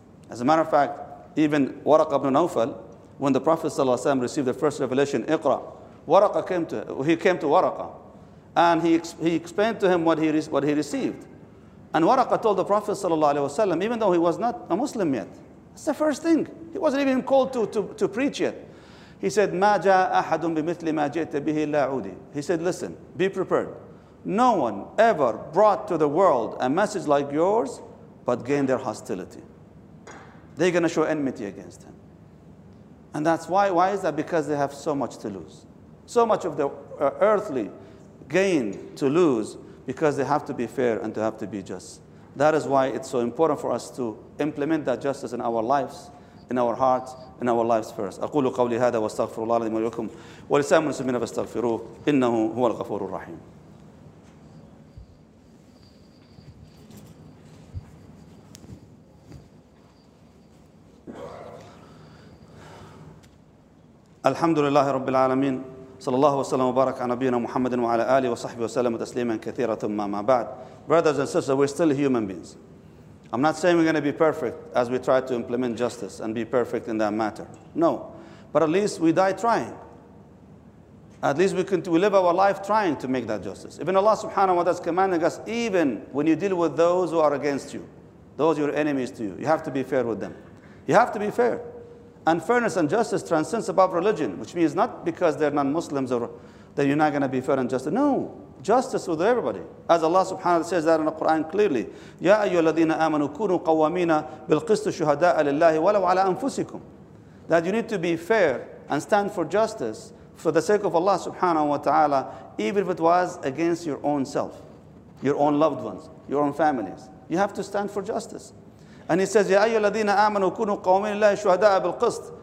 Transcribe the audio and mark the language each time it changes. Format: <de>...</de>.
<en>As a matter of fact, even Waraqah ibn Nawfal, when the Prophet ﷺ received the first revelation, Iqra, he came to Waraqah, and he explained to him what he received. And Waraqah told the Prophet ﷺ, even though he was not a Muslim yet, that's the first thing. He wasn't even called to preach yet. He said,</en> <ar>مَا جَاءَ أَحَدٌ بِمِثْلِ مَا جَئْتَ بِهِ إِلَّا عُودِي.</ar> <en>He said, listen, be prepared. No one ever brought to the world a message like yours, but gained their hostility. They're going to show enmity against him. And that's why. Why is that? Because they have so much to lose. So much of the earthly gain to lose because they have to be fair and to have to be just. That is why it's so important for us to implement that justice in our lives, in our hearts, in our lives first.</en> <ar>أقول قولي هذا واستغفر الله العظيم لكم ولسائر المسلمين فاستغفروه إنه هو الغفور الرحيم. الحمد لله رب العالمين صلى الله وسلم وبارك على نبينا محمد وعلى آله وصحبه وسلم تسليما كثيرا ثم ما بعد.</ar> <en>Brothers and sisters, we're still human beings. I'm not saying we're going to be perfect as we try to implement justice and be perfect in that matter. No. But at least we die trying. At least we live our life trying to make that justice. Even Allah subhanahu wa ta'ala is commanding us, even when you deal with those who are against you, those your enemies to you, you have to be fair with them. You have to be fair. And fairness and justice transcends above religion, which means not because they're non-Muslims or that you're not going to be fair and just. No. Justice with everybody. As Allah subhanahu wa ta'ala says that in the Quran clearly,</en> <ar>يَا أَيُّهَا الَّذِينَ آمَنُوا كُونُوا قَوَّامِينَ بِالْقِسْطِ شُهَدَاءَ لِلَّهِ وَلَوْ عَلَىٰ أَنفُسِكُمْ.</ar> <en>That you need to be fair and stand for justice for the sake of Allah subhanahu wa ta'ala, even if it was against your own self, your own loved ones, your own families. You have to stand for justice. And he says,</en> <ar>يَا أَيُّهَا الَّذِينَ آمَنُوا كُونُوا قَوَّامِينَ لِلَّهِ شُهَدَاءَ بِالْقِسْطِ.</ar>